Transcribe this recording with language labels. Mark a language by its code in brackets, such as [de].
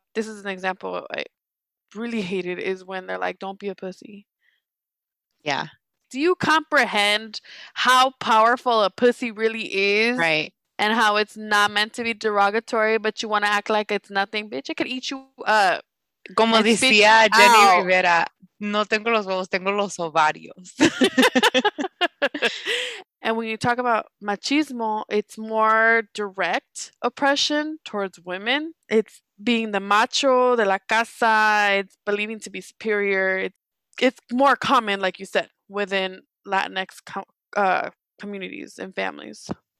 [en] This is an example I really hated is when they're like, don't be a pussy. Yeah. Do you comprehend how powerful a pussy really is? Right. And how it's not meant to be derogatory, but you want to act like it's nothing. Bitch, it could eat you up. [es] Como decía Jenny Rivera, no tengo los huevos, tengo los ovarios. [en] And when you talk about machismo, it's more direct oppression towards women. It's being the [es] macho de la casa. [en] It's believing to be superior. It's more common, like you said, within Latinx communities and families.